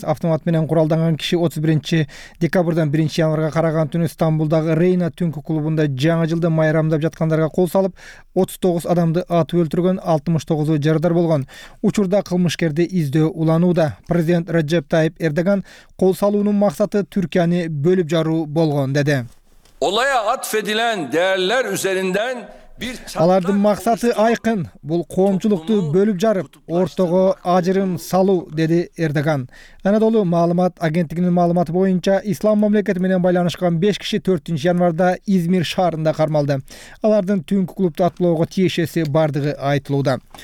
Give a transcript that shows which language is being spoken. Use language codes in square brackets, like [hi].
[ky] Автомат менен куралданган киши 31-декабрдан 1-январга караган түнү Стамбулдагы Рейна түнкү клубунда жаңы жылды майрамдап жаткандарга кол салып, 39 адамды атып өлтүргөн, 69 жарадар болгон. Учурда кылмышкерди издөө уланууда. Президент Раджеп Тайип Эрдоган кол салуунун максаты Түркияны бөлүп жаруу болгон деди. [tr] Olaya atfedilen değerler üzerinden bir çatlak... [ky] Алардын максаты айкын. Бул коомчулукту бөлүп жарып, ортого ажырым салуу, деди Эрдоган. Анадолу маалымат агенттигинин маалыматы боюнча, ислам мамлекети менен байланышкан 5 киши 4-январда Измир шаарында кармалды. Алардын түнкү клубту аттоого тиешеси бардыгы айтылууда.